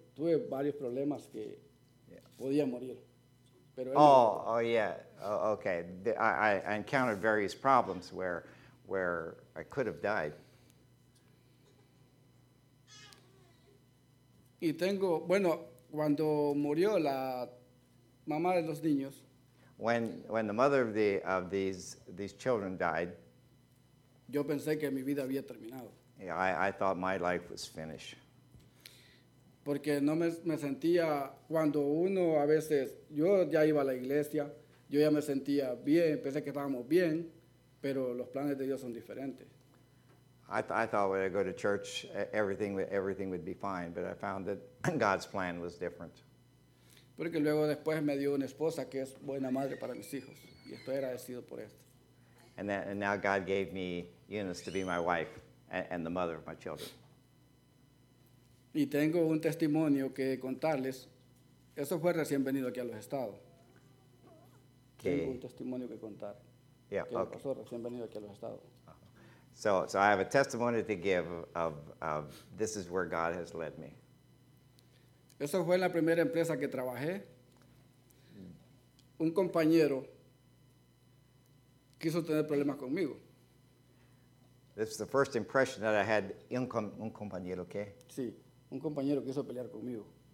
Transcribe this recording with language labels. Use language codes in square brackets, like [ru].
[es] Tuve varios problemas que podía morir. Pero [en] okay. I encountered various problems where I could have died. [es] Y tengo, bueno, cuando murió la mamá de los niños. [en] When the mother of these children died. [es] Yo pensé que mi vida había terminado. [en] Yeah, I thought my life was finished. [es] Porque no me sentía cuando uno a veces yo ya iba a la iglesia, yo ya me sentía bien, pensé que estábamos bien. Pero los planes de Dios son diferentes. [en] I thought when I go to church, everything would be fine, but I found that God's plan was different. [es] Porque luego después me dio una esposa que es buena madre para mis hijos, y estoy agradecido por esto. [en] And now God gave me Eunice to be my wife and the mother of my children. [es] Y tengo un testimonio que contarles. Eso fue recién venido aquí a los Estados. Okay. Tengo un testimonio que contar. [en] Yeah, [es] que [en] okay. [es] Pasó recién venido aquí a los Estados. [en] So I have a testimony to give of this is where God has led me. [es] Eso fue en la primera empresa que trabajé. Un compañero quiso tener problemas conmigo. [en] This is the first impression that I had [es] un compañero que. Sí, un compañero quiso pelear conmigo.